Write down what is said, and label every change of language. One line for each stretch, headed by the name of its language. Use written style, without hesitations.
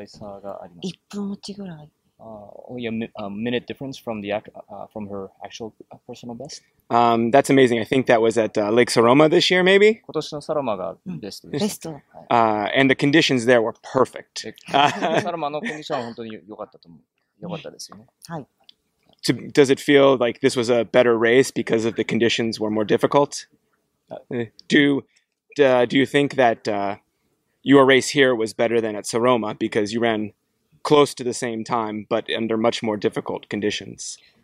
Japanese: 昨日のタイムとご自身の PB とどれぐらい差があります?1分落ちぐらい。
English: A minute difference from the from her actual personal best? That's amazing. I think that was at Lake Saroma this year, maybe?
Japanese: 今年のサロマがベストでした。ベスト。
English: And the conditions there were perfect.
Japanese: サロマのコンディションは本当に良かったと思う。良かったですよね。はい。
English: Does it feel like this was a better race because of the conditions were more difficult? Do you think that your race here was better than at Saroma because you ran close to the same time but under much more difficult conditions?